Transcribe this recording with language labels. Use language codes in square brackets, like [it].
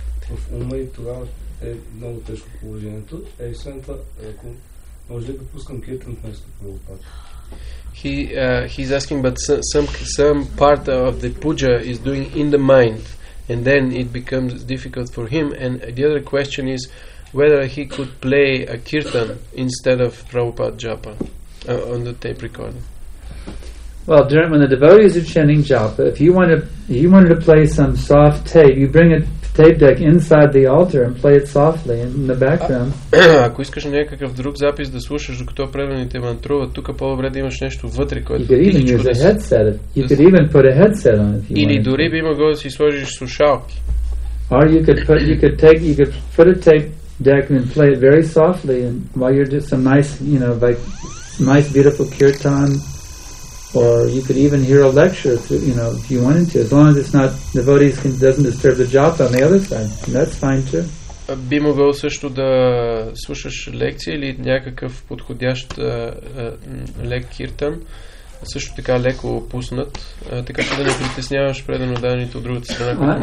[bg] В ума и тогава е много тежко положението. Е, освен това, ако може ли да пускам киртан вместо Прабхупада? [en] He's asking, but some part of the puja is doing in the mind, and then it becomes difficult for him. And the other question is whether he could play a kirtan instead of Prabhupada japa on the tape recording. Well, during when the devotees are chanting japa, if you wanted to play some soft tape, you bring a tape deck inside the altar and play it softly in the background. [bg] Ако искаш някакъв друг запис да слушаш, докато преданите мантруват, тук по-добре да имаш нещо вътре, което [en] You could even put a headset on it. [bg] Или дори би могъл да си сложиш слушалки. [en] Or you could put a tape deck and play it very softly and while you're doing some nice, you know, like nice beautiful kirtan. Or you could even hear a lecture, through, you know, if you wanted to, as long as it's not devotees can doesn't disturb the japa on the other side, and that's fine too. [bg] Би могъл също да слушаш лекция или някакъв подходящ лек киртан, също така леко опуснат, така че да не притесняваш предано даните от другата страна.